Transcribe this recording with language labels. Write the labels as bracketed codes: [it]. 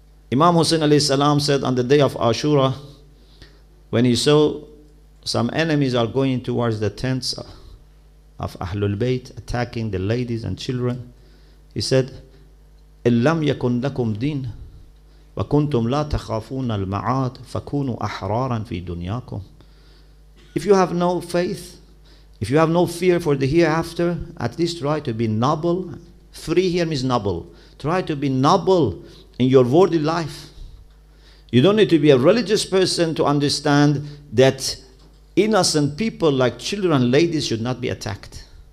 [en] Imam Hussein alayhi salam said on the day of Ashura, when he saw some enemies are going towards the tents of Ahlul Bayt, attacking the ladies and children, he said, [ar] "Illam yakun lakum din, وكنتم لا تخافون المعاد فكونوا أحرارا في دنياكم. [en] If you have no faith, if you have no fear for the hereafter, at least try to be noble. Free here means noble. Try to be noble in your worldly life. You don't need to be a religious person to understand that innocent people like children, ladies, should not be attacked.